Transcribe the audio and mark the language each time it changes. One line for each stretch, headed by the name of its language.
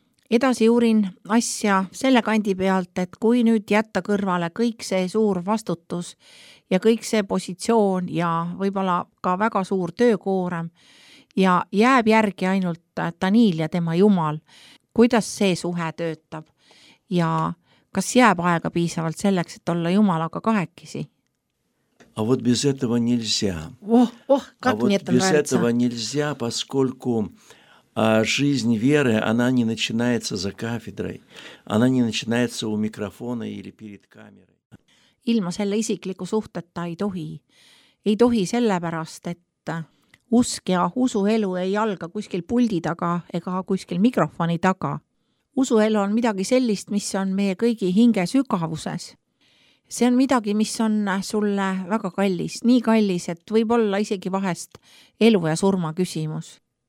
Estonian: Edasi uurin asja selle kandi pealt, et kui nüüd jätta kõrvale kõik see suur vastutus ja kõik see positsioon ja võibolla ka väga suur töökoorem, ja jääb järgi ainult Daniil ja tema jumal, kuidas see suhe töötab ja kas jääb aega piisavalt selleks, et olla jumalaga kahekisi?
Russian: A vot без этого нельзя. Поскольку жизнь веры, она не начинается за кафедрой, она не начинается у микрофона или перед камерой.
Estonian: Ilma selle isikliku suhteta ei tohi. Ei tohi sellepärast, et usk ja usuelu ei alga kuskil puldi taga ega kuskil mikrofoni taga. Usuelu on midagi sellist, mis on meie kõigi hinge sügavuses. See on midagi, mis on sulle väga kallis, nii kallis, et võib olla isegi vahest elu ja surma küsimus.